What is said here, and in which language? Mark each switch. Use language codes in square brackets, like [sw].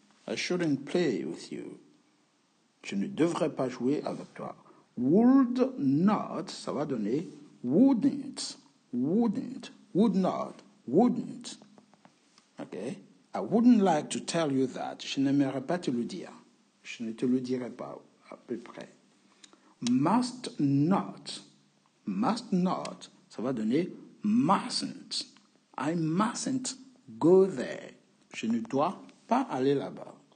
[en] I shouldn't play with you. [fr] Je ne devrais pas jouer avec toi. [en] Would not, [fr] ça va donner wouldn't. [en] Wouldn't. Would not. Wouldn't. OK? I wouldn't like to tell you that. [fr] Je n'aimerais pas te le dire. Je ne te le dirai pas à peu près. [en] Must not. Must not. [fr] Ça va donner [en] mustn't. I mustn't go there. [fr] Je ne dois pas aller là-bas.